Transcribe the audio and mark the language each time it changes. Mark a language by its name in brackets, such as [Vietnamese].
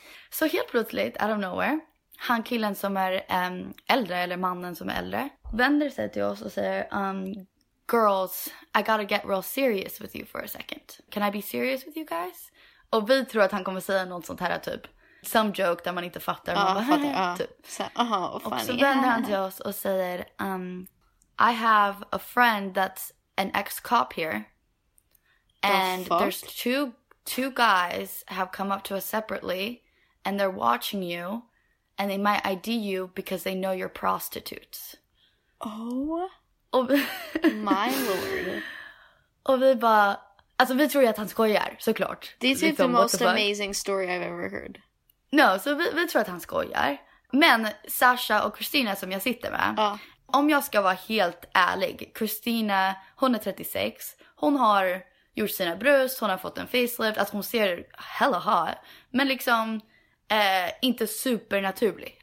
[Swedish] Så helt plötsligt, [English] out of nowhere, [Swedish] han killen som är äldre, eller mannen som är äldre, vänder sig till oss och säger, [English] girls, I gotta get real serious with you for a second. Can I be serious with you guys? [Swedish] Och vi tror att han kommer säga något sånt här, typ, [English] some joke [Swedish] där man inte fattar. [English] Funny. [Swedish] Och så vänder han till oss och säger, [English] I have a friend that's an ex-cop here. And the there's two guys have come up to us separately, and they're watching you. And they might ID you because they know you're prostitutes. Oh. [Swedish] Och vi... [English] My lord. [Swedish] Och vi bara... Alltså vi tror ju att han skojar, såklart. [English] This is the most amazing story I've ever heard. [Swedish] No, så vi tror att han skojar. Men Sasha och Christina som jag sitter med... Om jag ska vara helt ärlig... Christina, hon är 36. Hon har gjort sina bröst, hon har fått en facelift. Alltså hon ser hella hot. Men liksom... inte supernaturlig.